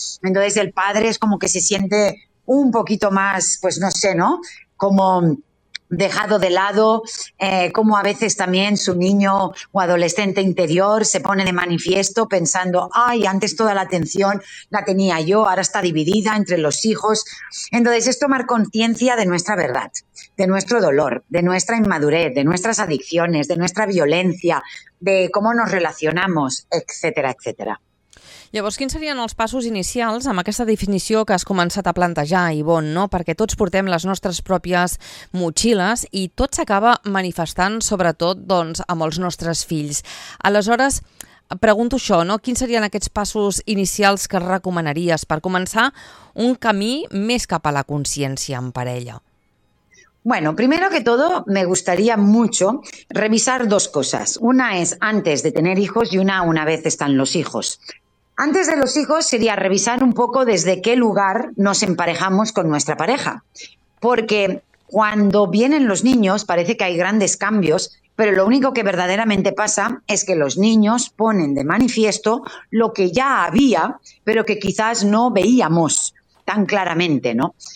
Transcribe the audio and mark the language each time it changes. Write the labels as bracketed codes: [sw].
[es] Entonces el padre es como que se siente un poquito más, pues no sé, ¿no?, como dejado de lado, como a veces también su niño o adolescente interior se pone de manifiesto pensando, ay, antes toda la atención la tenía yo, ahora está dividida entre los hijos. Entonces es tomar conciencia de nuestra verdad, de nuestro dolor, de nuestra inmadurez, de nuestras adicciones, de nuestra violencia, de cómo nos relacionamos, etcétera, etcétera. [ca] Llavors, quins serien els passos inicials amb aquesta definició que has començat a plantejar, Ivonne, no? Perquè tots portem les nostres pròpies motxilles i tot s'acaba manifestant, sobretot, doncs, amb els nostres fills. Aleshores, pregunto això, no? Quins serien aquests passos inicials que recomanaries per començar un camí més cap a la consciència en parella? [es] Bueno, primero que todo, me gustaría mucho revisar dos cosas. Una es antes de tener hijos y una vez están los hijos. Antes de los hijos sería revisar un poco desde qué lugar nos emparejamos con nuestra pareja. Porque cuando vienen los niños parece que hay grandes cambios, pero lo único que verdaderamente pasa es que los niños ponen de manifiesto lo que ya había, pero que quizás no veíamos tan claramente, ¿no?